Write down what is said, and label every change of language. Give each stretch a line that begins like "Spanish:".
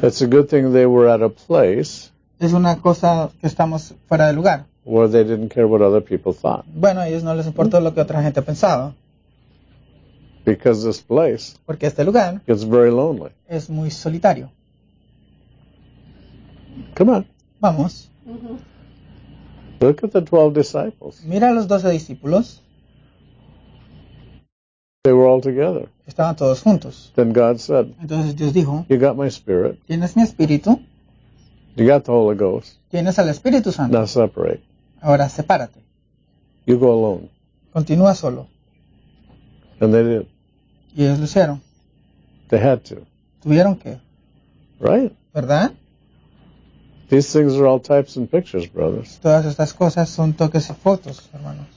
English: It's a good thing they were at a place.
Spanish: Es una cosa que estamos fuera de lugar.
English: Where they didn't care what other people thought.
Spanish: Bueno, a ellos no les importó lo que otra gente pensaba.
English: Because this place.
Spanish: Porque este lugar.
English: It's very lonely.
Spanish: Es muy solitario.
English: Come on.
Spanish: Vamos.
English: Mm-hmm. Look at the 12 disciples.
Spanish: Mira a los 12 discípulos.
English: They were all together.
Spanish: Estaban todos juntos.
English: Then God said.
Spanish: Entonces Dios dijo.
English: You got my spirit.
Spanish: Tienes mi espíritu.
English: You got the Holy Ghost.
Spanish: Tienes al Espíritu Santo.
English: Now separate.
Spanish: Ahora sepárate.
English: You go alone.
Spanish: Continúa solo.
English: And they did.
Spanish: Y ellos lo hicieron.
English: They had to.
Spanish: Tuvieron que.
English: Right.
Spanish: ¿Verdad?
English: These things are all types and pictures, brothers.
Spanish: Todas estas cosas son toques y fotos, hermanos.